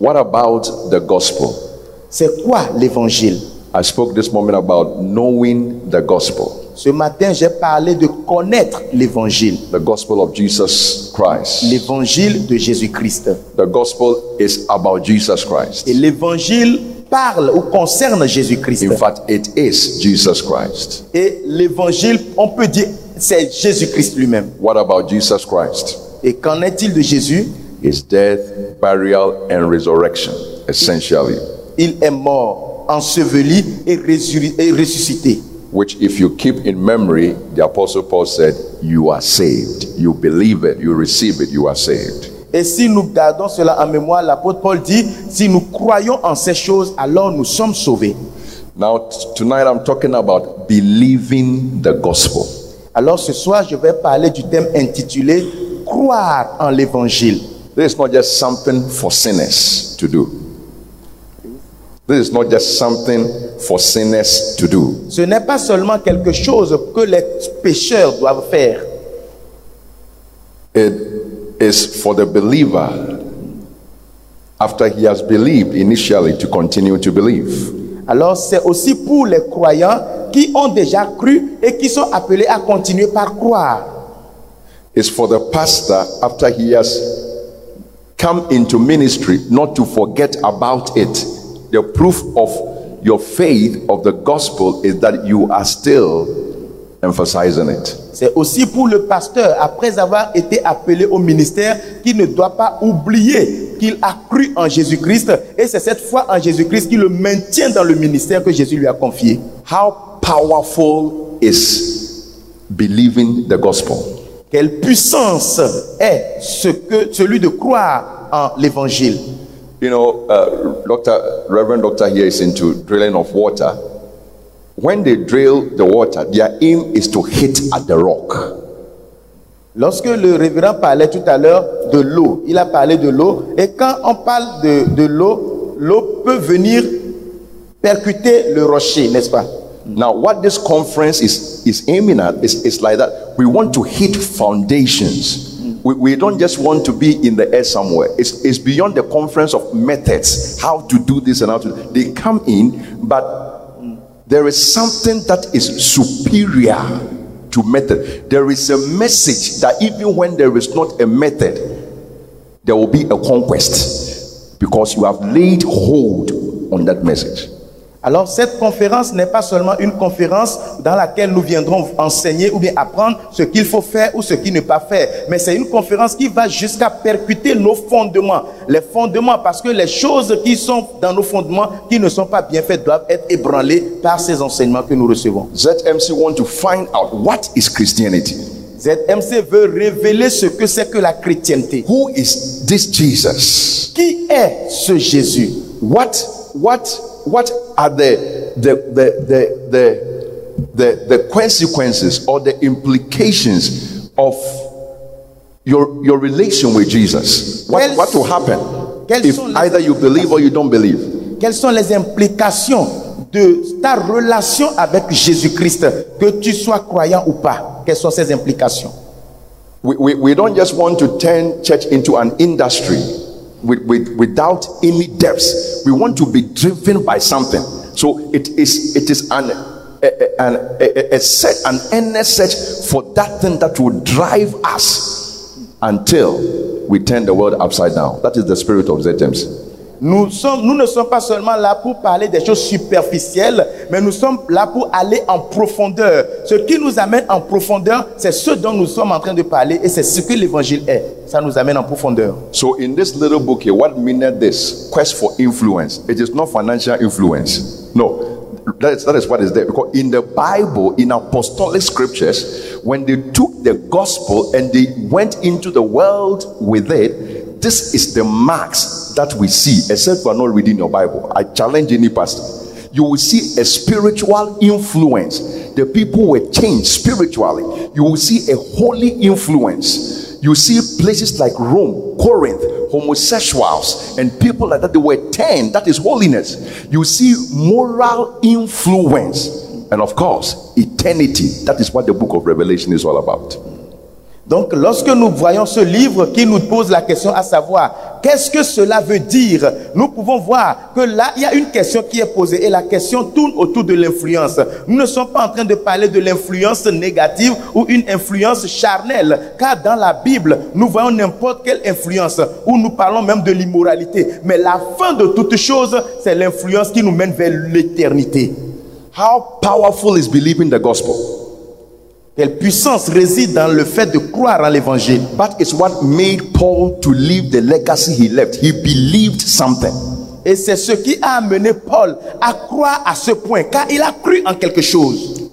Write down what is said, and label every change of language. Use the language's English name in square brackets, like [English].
[English] What about the gospel? [French] C'est quoi l'évangile? [English] I spoke this morning about knowing the gospel. [French] Ce matin, j'ai parlé de connaître l'évangile. [English] The gospel of Jesus Christ. [French] L'évangile de Jésus-Christ. [English] The gospel is about Jesus Christ. [French] Et l'évangile parle ou concerne Jésus-Christ. [English] In fact, it is Jesus Christ. [French] Et l'évangile, on peut dire, c'est Jésus-Christ lui-même. [English] What about Jesus Christ? [French] Et qu'en est-il de Jésus? [English] His death, burial and resurrection, essentially. [French] Il est mort, enseveli et ressuscité. [English] Which if you keep in memory, the Apostle Paul said, you are saved. You believe it, you receive it, you are saved. [French] Et si nous gardons cela en mémoire, l'apôtre Paul dit, si nous croyons en ces choses, alors nous sommes sauvés. [English] Now, tonight I'm talking about believing the gospel. [French] Alors ce soir, je vais parler du thème intitulé, croire en l'évangile. [English] This is not just something for sinners to do. This is not just something for sinners to do. [French] Ce n'est pas seulement quelque chose que les pécheurs doivent faire. [English] It is for the believer after he has believed initially to continue to believe. [French] Alors c'est aussi pour les croyants qui ont déjà cru et qui sont appelés à continuer par croire. [English] It's for the pastor after he has come into ministry not to forget about it. The proof of your faith of the gospel is that you are still emphasizing it. [French] C'est aussi pour le pasteur après avoir été appelé au ministère qui ne doit pas oublier qu'il a cru en Jésus-Christ et c'est cette foi en Jésus-Christ qui le maintient dans le ministère que Jésus lui a confié. [English] How powerful is believing the gospel? [French] Quelle puissance est celui de croire en l'évangile? [English] You know, Reverend Doctor here is into drilling of water. When they drill the water, their aim is to hit at the rock. [French] Lorsque le révérend parlait tout à l'heure de l'eau, il a parlé de l'eau. Et quand on parle de l'eau, l'eau peut venir percuter le rocher, n'est-ce pas? [English] Now, what this conference is aiming at is like that. We want to hit foundations. We don't just want to be in the air somewhere. It's beyond the conference of methods, how to do this and how to. They come in, but there is something that is superior to method. There is a message that even when there is not a method, there will be a conquest because you have laid hold on that message. [French] Alors, cette conférence n'est pas seulement une conférence dans laquelle nous viendrons enseigner ou bien apprendre ce qu'il faut faire ou ce qu'il ne pas faire. Mais c'est une conférence qui va jusqu'à percuter nos fondements. Les fondements, parce que les choses qui sont dans nos fondements, qui ne sont pas bien faites, doivent être ébranlées par ces enseignements que nous recevons. [English] ZMC want to find out what is Christianity. [French] ZMC veut révéler ce que c'est que la chrétienté. [English] Who is this Jesus? [French] Qui est ce Jésus? [English] What are the consequences or the implications of your relation with Jesus? What will happen if either you believe or you don't believe? [French] Quelles sont les implications de ta relation avec Jésus-Christ, que tu sois croyant ou pas? Quelles sont ces implications? [English] We don't just want to turn church into an industry. Without any depths, we want to be driven by something. So it is an earnest search for that thing that will drive us until we turn the world upside down. That is the spirit of ZMC. [French] Nous ne sommes pas seulement là pour parler des choses superficielles, mais nous sommes là pour aller en profondeur. Ce qui nous amène en profondeur, c'est ce dont nous sommes en train de parler et c'est ce que l'évangile est. Ça nous amène en profondeur. [English] So in this little book here, what means this? Quest for influence. It is not financial influence. No, that is what is there. Because in the Bible, in apostolic scriptures, when they took the gospel and they went into the world with it, this is the marks that we see, except you are not reading your Bible. I challenge any pastor. You will see a spiritual influence. The people were changed spiritually. You will see a holy influence. You see places like Rome, Corinth, homosexuals, and people like that, they were turned. That is holiness. You see moral influence. And of course, eternity. That is what the book of Revelation is all about. [French] Donc, lorsque nous voyons ce livre qui nous pose la question à savoir qu'est-ce que cela veut dire, nous pouvons voir que là, il y a une question qui est posée et la question tourne autour de l'influence. Nous ne sommes pas en train de parler de l'influence négative ou une influence charnelle, car dans la Bible, nous voyons n'importe quelle influence où nous parlons même de l'immoralité. Mais la fin de toute chose, c'est l'influence qui nous mène vers l'éternité. [English] How powerful is believing the gospel? [French] Quelle puissance réside dans le fait de croire en l'évangile? [English] But it's what made Paul to leave the legacy he left. He believed something. [French] Et c'est ce qui a amené Paul à croire à ce point, car il a cru en quelque chose.